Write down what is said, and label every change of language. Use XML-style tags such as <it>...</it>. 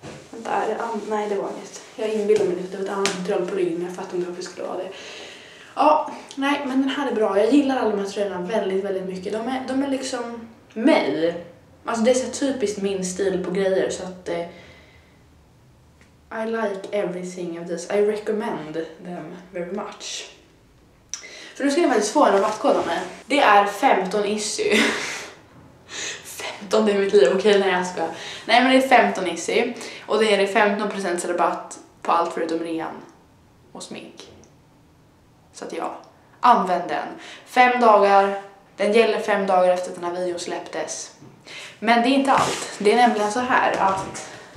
<sv>Vänta, är det nej, det var inget. Jag inbillar mig att det var ett annat tröja på ryggen. Jag fattar inte varför jag skulle ha det. Ja, nej, men den här är bra. Jag gillar alla de här tröjorna väldigt, väldigt mycket. De är liksom mig. Alltså det är så typiskt min stil på grejer. Så att</sv> <en>I like everything of this. I recommend them very much.</en> <sv>För nu ska jag faktiskt få en rabattkod av mig. Det är 15 issy. 15, det är mitt liv. Okej, nej, jag ska. Nej, men det är 15 issy. Och det är 15% rabatt på allt förutom rean. Och smink. Så att ja, använd den. 5 dagar. Den gäller 5 dagar efter att den här videon släpptes. Men det är inte allt. Det är nämligen så här att</sv>